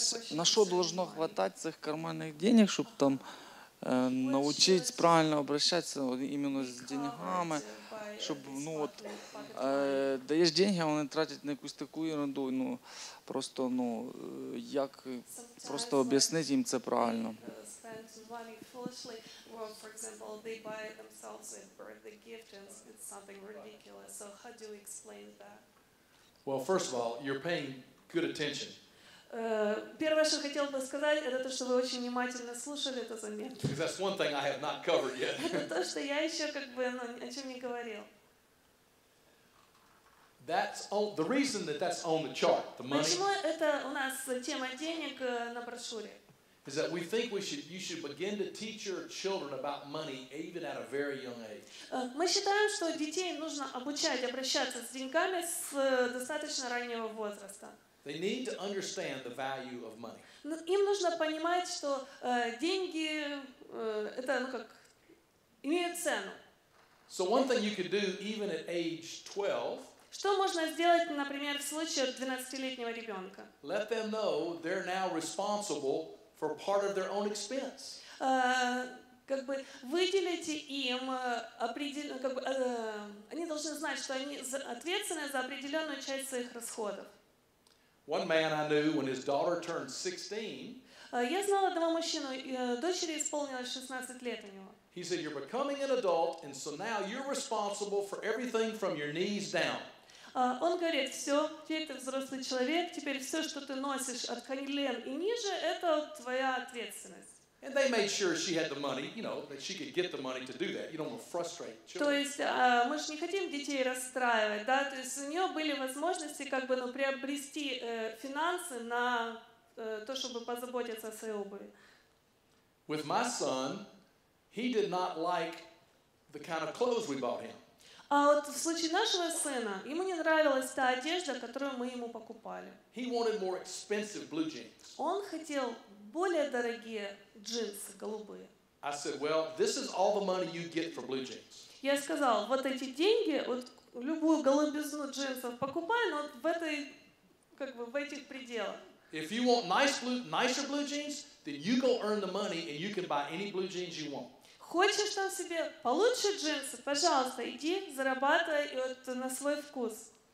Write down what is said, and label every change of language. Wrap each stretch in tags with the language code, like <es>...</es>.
<uk>На що должно хватать цих карманних денег, щоб там научить правильно обращатися іменно з деньгами, щоб, ну, от, даєш деньги, а вони тратять на якусь таку ерунду, ну, просто, ну, як просто об'яснити їм це правильно.</uk> <en>Money foolishly, well, for example, they buy themselves a birthday gift and it's something ridiculous. So how do we explain that? Well, first of all, you're paying good attention.</en> <ru>Первое, что хотел бы сказать, это то, что вы очень внимательно слушали эту заметку.</ru> <en>Because that's one thing I have not covered yet.</en> <ru>Это то, что я еще как бы о чем не говорил.</ru> <en>That's on, the reason that that's on the chart, the money.</en> <ru>Почему это у нас тема денег на брошюре?</ru> <en>Is that we think we should you should begin to teach your children about money even at a very young age.</en> <ru>Мы считаем, что детей нужно обучать обращаться с деньгами с достаточно раннего возраста.</ru> <en>They need to understand the value of money.</en> <ru>Им нужно понимать, что деньги это ну как имеют цену.</ru> <en>So one thing you could do even at age 12.</en> <ru>Что можно сделать, например, в случае 12-летнего ребенка?</ru> <en>Let them know they're now responsible for part of their own expense.</en> <ru>Как бы выделите им определенно, как бы они должны знать, что они ответственны за определенную часть своих расходов.</ru> <en>One man I knew when his daughter turned 16.</en> <ru>Я знал одного мужчину, дочери исполнилось 16 лет у него.</ru> <en>He said, "You're becoming an adult, and so now you're responsible for everything from your knees down."</en> <ru>Он говорит, все, теперь ты взрослый человек, теперь все, что ты носишь от колен и ниже, это твоя ответственность. То есть мы же не хотим детей расстраивать, да, то есть у нее были возможности как бы, ну, приобрести финансы на то, чтобы позаботиться о своей обуви.</ru> <en>With my son, he did not like the kind of clothes we bought him.</en> <ru>А вот в случае нашего сына, ему не нравилась та одежда, которую мы ему покупали.</ru> <en>He wanted more expensive blue jeans.</en> <ru>Он хотел более дорогие джинсы, голубые.</ru> <en>I said, well, this is all the money you get for blue jeans.</en> <ru>Я сказал, вот эти деньги, вот любую голубизну джинсов покупай, но вот в этой, как бы, в этих пределах.</ru> <en>If you want nicer blue jeans, then you go earn the money and you can buy any blue jeans you want.</en> <ru>Хочешь там себе получше джинсы? Пожалуйста, иди, зарабатывай вот на свой вкус.</ru>